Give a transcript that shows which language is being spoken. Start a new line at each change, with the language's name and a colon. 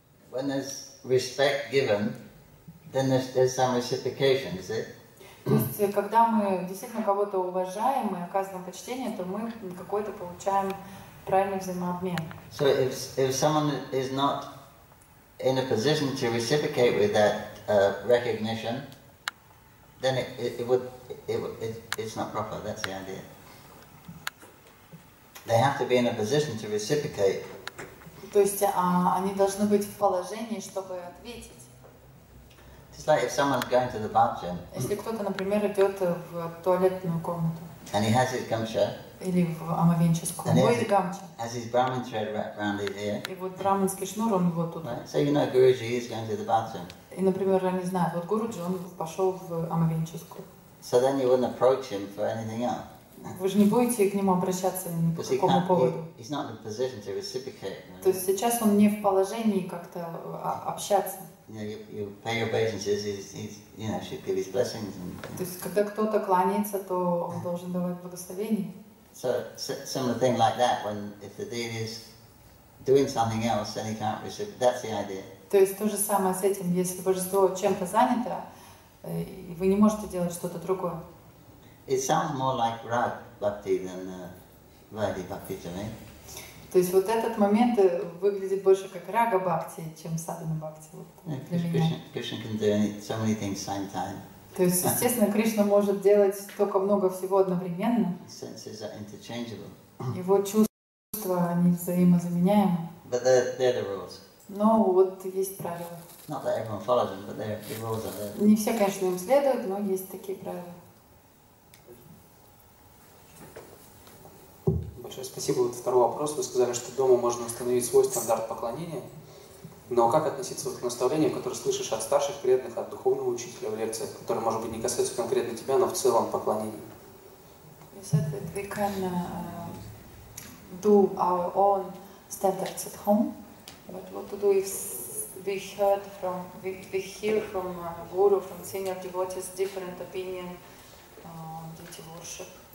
English: When there's respect given, then there's some reciprocation, is it?
Russian: То есть, когда мы действительно кого-то уважаем и оказываем почтение, то мы какой-то получаем правильный взаимообмен.
English: So if someone is not in a position to reciprocate with that recognition, then it's not proper. That's the idea. They have to be in a position to reciprocate.
Russian: То есть они должны быть в положении, чтобы ответить.
English: It's like if someone's going to the bathroom.
Russian: Если кто-то, например, идет в туалетную комнату.
English: And he has his gamcha.
Russian: Или в омовенческую.
English: And
Russian: будет гамча.
English: Has his Brahmin thread wrapped around his ear.
Russian: И вот брахманский шнур он вот тут.
English: Right. So you know, Guruji is going to the bathroom.
Russian: И, например, они знают, вот Гуруджи он пошел в омовенческую.
English: So then you wouldn't approach him for anything else.
Russian: Вы же не будете к нему обращаться ни по какому поводу. То есть сейчас он не в положении как-то общаться. То есть когда кто-то кланяется, то он должен давать благословение.
English: So similar thing like that when if the deity is doing something else, then he can't reciprocate. That's the idea.
Russian: То есть то же самое с этим, если божество чем-то занято, вы не можете делать что-то другое.
English: It sounds more like rag bhakti than vaidhi bhakti to me.
Russian: То есть вот этот момент выглядит больше как рага бхакти, чем садхана бхакти. Вот,
English: yeah, Krishna can do so many things at the same time.
Russian: То есть, естественно, Кришна может делать столько много всего одновременно.
English: Senses are interchangeable.
Russian: Его чувства, они взаимозаменяемы.
English: But they're the rules.
Russian: Но вот есть правила.
English: Not that everyone follows them, but the rules are there.
Russian: Не все, конечно, им следуют, но есть такие правила. Спасибо. Вот второй вопрос. Вы сказали, что дома можно установить свой стандарт поклонения. Но как относиться вот к наставлениям, которые слышишь от старших преданных, от духовного учителя в лекциях, которые, может быть, не касаются конкретно тебя, но в целом поклонения?
English: You said that we can do our own standards at home. But what to do if we hear from guru, from senior devotees, different opinion on deity worship?